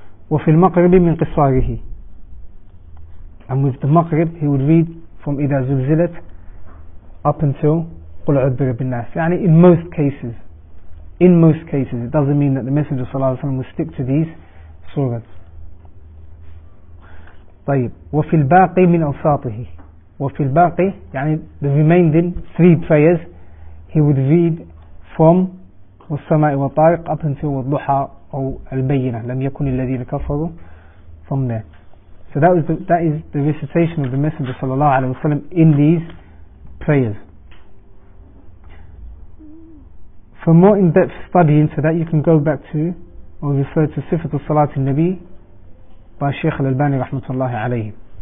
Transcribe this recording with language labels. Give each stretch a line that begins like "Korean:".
Arabic: وفي المقرب من قصاره.
English: And with the Maghrib, he would read from Ida Zulzilat up until Qul'ud Rabbi Nas. Yani in most cases. In most cases. It doesn't mean that the Messenger صلى الله عليه وسلم would stick to these surahs.
Arabic: طيب وفي الباقي من أوساطه وفي الباقي يعني
English: the remaining three prayers he would read from
Arabic: والسماء والطارق
English: up until
Arabic: الضحى أو البينة لم يكن الذين كفروا
English: from there. So that is the recitation of the Messenger صلى الله عليه وسلم in these prayers. For more in-depth studying so that you can go back to or refer to
Arabic: صفة الصلاة النبي الشيخ الألباني رحمة الله عليه.